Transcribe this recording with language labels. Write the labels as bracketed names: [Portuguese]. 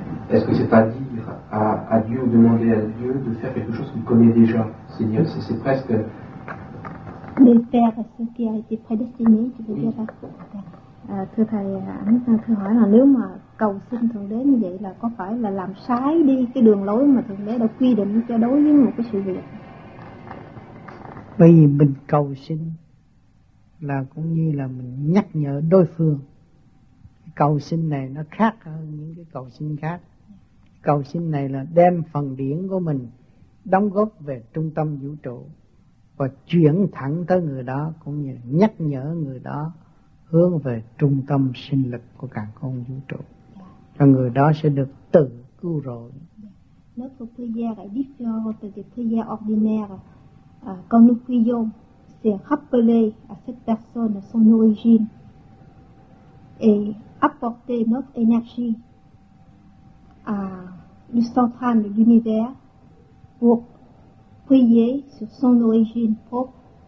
[French] Est-ce que c'est à dire à Dieu, demander à Dieu de faire quelque chose qu'il connaît déjà? Seigneur, c'est presque... De faire ce qui a été prédestiné, tu veux dire? [Vietnamese] Thưa Thầy, anh ta thưa hỏi là nếu mà cầu xin Thượng Đế như vậy là có phải là làm sai đi cái đường lối mà Thượng Đế đã quy định cho đối với một cái sự việc? Bởi vì mình cầu xin là cũng như là mình nhắc nhở đối phương. Cầu xin này nó khác hơn những cái cầu xin khác. Cầu xin này là đem phần điển của mình đóng góp về trung tâm vũ trụ và chuyển thẳng tới người đó, cũng như nhắc nhở người đó hướng về trung tâm sinh lực của cả con vũ trụ. Và người đó sẽ được tự cứu rồi. [French] Notre prière est différente des prières ordinaires. Quand nous prions, c'est rappeler à cette personne son origine et apporter notre énergie à le central de l'univers pour prier sur son origine propre